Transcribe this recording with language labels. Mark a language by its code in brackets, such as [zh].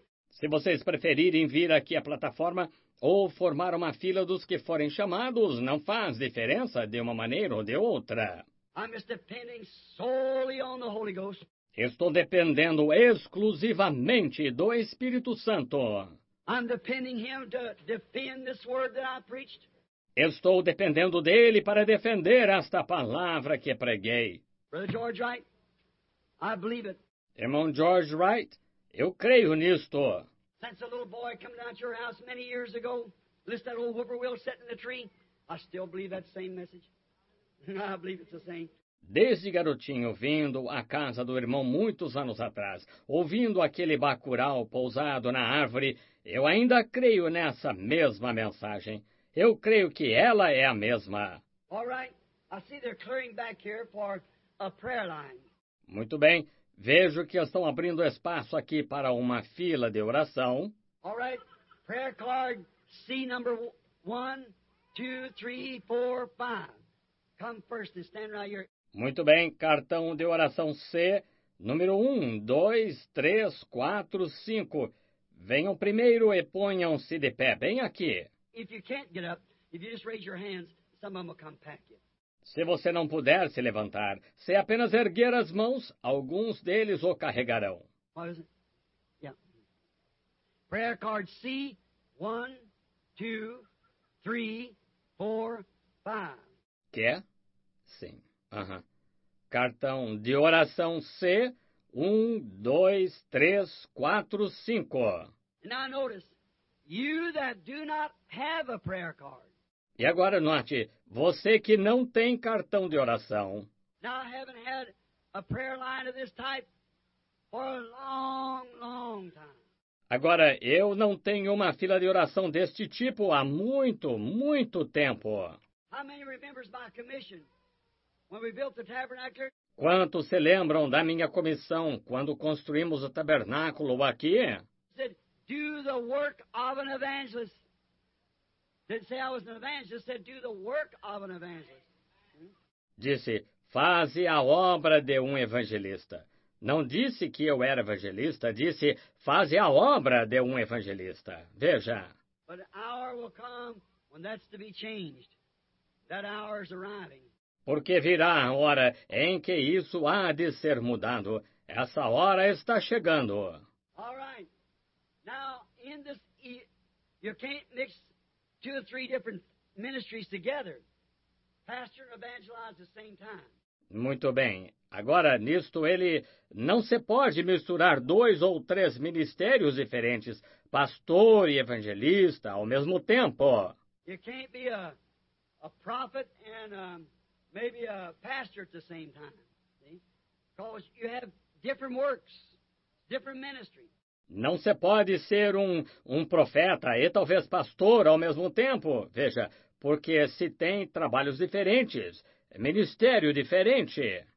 [pt] Se vocês preferirem vir aqui à plataforma ou formar uma fila dos que forem chamados, não faz diferença de uma maneira ou de outra. [en] I'm just depending solely on the Holy Ghost. [pt] Estou dependendo exclusivamente do Espírito Santo. [en] I'm depending him to defend this word that I preached. [pt] Estou dependendo dele para defender esta palavra que preguei. [en] Brother George Wright, I believe it. [pt] Irmão George Wright, eu creio nisto. [en] Since a little boy coming out your house many years ago, listen to that old whippoorwill sitting in the tree, I still believe that same message. I believe it's the same. [pt] Desde garotinho, vindo à casa do irmão muitos anos atrás, ouvindo aquele bacurau pousado na árvore, eu ainda creio nessa mesma mensagem. Eu creio que ela é a mesma. [en] All right. I see they're clearing back here for a prayer line. [pt] Muito bem. Vejo que estão abrindo espaço aqui para uma fila de oração. [en] All right. Prayer card C number 1, 2, 3, 4, 5. Come first and stand right here. [pt] Muito bem, cartão de oração C, número 1, 2, 3, 4, 5. Venham primeiro e ponham-se de pé, bem aqui. [en] If you can't get up, if you just raise your hands, someone will come pack you. [pt] Se você não puder se levantar, se apenas erguer as mãos, alguns deles o carregarão. [en] What is it? Yeah. Prayer card C, 1, 2, 3, 4, 5. [pt] Quer? Sim. Uhum. Cartão de oração C, 1, 2, 3, 4, 5. [en] Now notice, you that do not have a prayer card. [pt] E agora note, você que não tem cartão de oração. [en] Now I haven't had a prayer line of this type for a long, long time. [pt] Agora, eu não tenho uma fila de oração deste tipo há muito, muito tempo. [en] How many remembers my commission when we built the tabernacle? [pt] Quantos se lembram da minha comissão quando construímos o tabernáculo aqui? [en] Said, do the work of an evangelist. Didn't say I was an evangelist. Said, do the work of an evangelist. [pt] Disse, faze a obra de um evangelista. Não disse que eu era evangelista. Disse, faze a obra de um evangelista. Veja. [en] But an hour will come when that's to be changed. That hour is arriving. [pt] Porque virá a hora em que isso há de ser mudado. Essa hora está chegando. [en] All right. Now, in this, you can't mix two or three different ministries together. Pastor and evangelize at the same time. [pt] Muito bem. Agora, nisto ele não se pode misturar dois ou três ministérios diferentes, pastor e evangelista, ao mesmo tempo. [en] You can't be a prophet and maybe a pastor at the same time, see? Because you have different works, different ministry. [pt] Não se pode ser um profeta e talvez pastor ao mesmo tempo, veja, porque se tem trabalhos diferentes, ministério diferente.